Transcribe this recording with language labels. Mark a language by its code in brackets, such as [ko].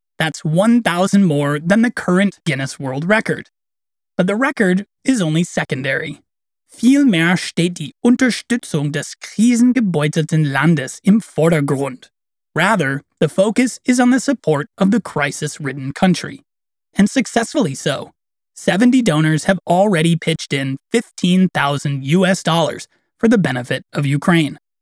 [en] That's 1,000 more than the current Guinness World Record. But the record is only secondary. [de] Vielmehr steht die Unterstützung des krisengebeutelten Landes im Vordergrund. [en] Rather, the focus is on the support of the crisis-ridden country. And successfully so. 70 donors have already pitched in $15,000 for the benefit of Ukraine.